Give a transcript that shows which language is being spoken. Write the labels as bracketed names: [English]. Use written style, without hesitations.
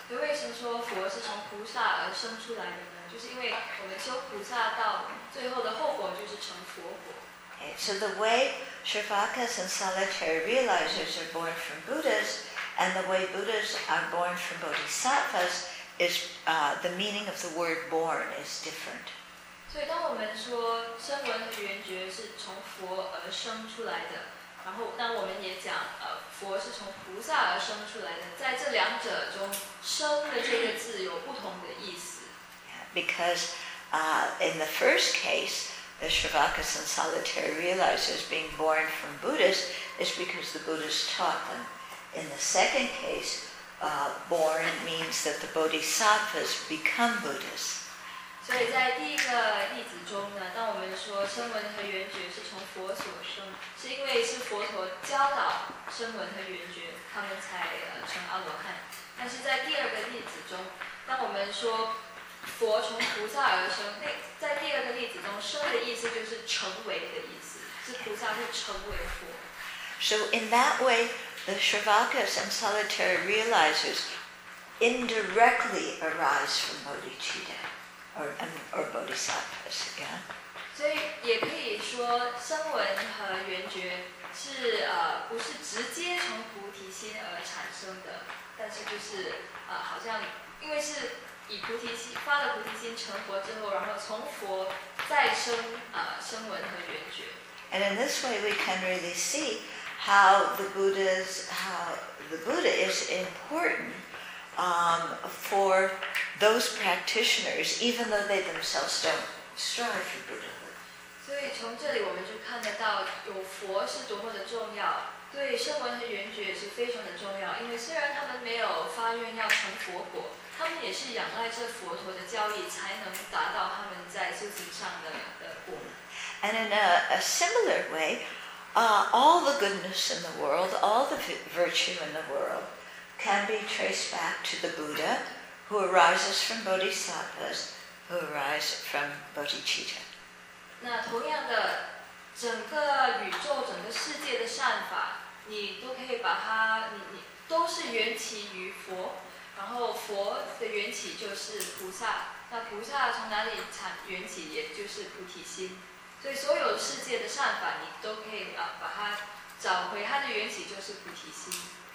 [English] Okay, so the way Shravakas and solitary realizers are born from Buddhas, and the way Buddhas are born from bodhisattvas, is the meaning of the word born is different. [Chinese] 所以当我们说声闻和缘觉是从佛而生出来的，然后那我们也讲佛是从菩萨而生出来的，在这两者中，生的这个字有不同的意思。Because [English] in the first case, the Shravakas and solitary realizers being born from Buddhas is because the Buddhas taught them. In the second case, born means that the bodhisattvas become Buddhas. [Chinese] 所以在第一个例子中呢，当我们说声闻和缘觉是从佛所生，是因为是佛陀教导声闻和缘觉，他们才成阿罗汉。但是在第二个例子中，当我们说佛从菩萨而生，那在第二个例子中，生的意思就是成为的意思，是菩萨会成为佛。 [English] So in that way, the Shravakas and solitary realizers indirectly arise from bodhicitta or bodhisattvas. Yeah. [Chinese] 所以也可以说，声闻和缘觉是不是直接从菩提心而产生的？但是就是好像因为是以菩提心发了菩提心成佛之后，然后从佛再生声闻和缘觉。 [English] And in this way, we can really see. How the Buddha's, how the Buddha is important for those practitioners, even though they themselves don't strive for Buddhahood. [Chinese] 所以从这里我们就看得到，有佛是多么的重要，对声闻和缘觉也是非常的重要。因为虽然他们没有发愿要成佛果，他们也是仰赖这佛陀的教义，才能达到他们在修行上的果。 [English] And in a similar way. All the goodness in the world, all the virtue in the world can be traced back to the Buddha who arises from bodhisattvas who arise from bodhicitta. [Chinese] 那同样的整个宇宙整个世界的善法你都可以把它 你都是缘起于佛然后佛的缘起就是菩萨那菩萨从哪里产缘起也就是菩提心所以所有世界的善法你都可以把它找回它的缘起就是菩提心